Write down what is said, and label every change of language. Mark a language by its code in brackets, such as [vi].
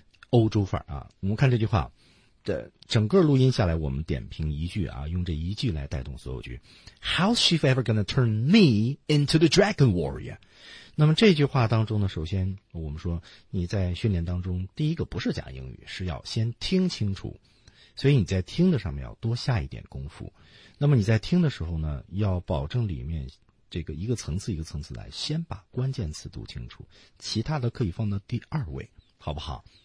[zh] 欧洲范儿啊，我们看这句话。的整个录音下来，我们点评一句啊，用这一句来带动所有句。 [en] How's she ever gonna turn me into the dragon warrior? [zh] 那么这句话当中呢，首先我们说你在训练当中第一个不是讲英语，是要先听清楚，所以你在听的上面要多下一点功夫。那么你在听的时候呢，要保证里面这个一个层次一个层次来，先把关键词读清楚，其他的可以放到第二位，好不好？